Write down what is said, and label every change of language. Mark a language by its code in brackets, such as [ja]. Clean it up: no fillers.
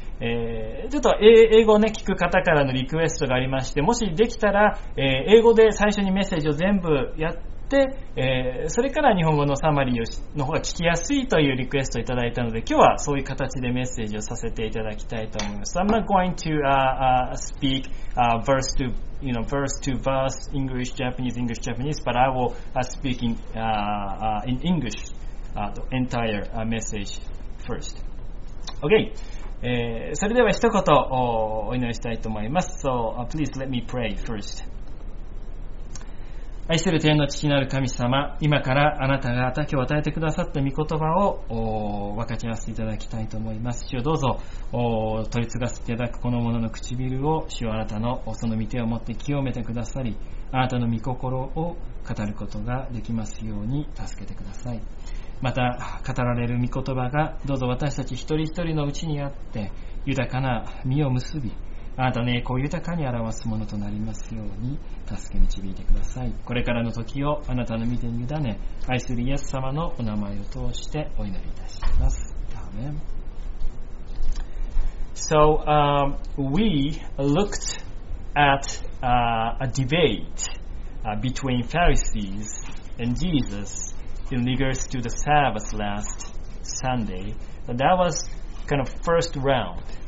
[ja] ちょっと英語を、ね、聞く方からのリクエストがありまして、もしできたら、英語で最初にメッセージを全部やって、それから日本語のサマリーの方が聞きやすいというリクエストをいただいたので、今日はそういう形でメッセージをさせていただきたいと思います。 [en] I'm not going to speak verse to, you know, verse to verse English, Japanese, English, Japanese, but I will speak in English the entire message first. Okay. [ja] それでは一言お祈りしたいと思います。 [en] So, please let me pray first. [ja] 愛する天の父なる神様、今からあなたが今日与えてくださった御言葉を分かち合わせていただきたいと思います。主よ、どうぞ取り継がせていただくこの者の唇を、主よ、あなたのその御手を持って清めてくださり、あなたの御心を語ることができますように助けてください。また語られる御言葉が、どうぞ私たち一人一人のうちにあって豊かな実を結び、あなたの栄光を豊かに表すものとなりますように、助け導いてください。これからの時をあなたの御手に委ね、愛するイエス様のお名前を通してお祈りいたします。アーメン。 [en] So we looked at a debate between Pharisees and JesusIn regards to the Sabbath last Sunday, that was kind of first round.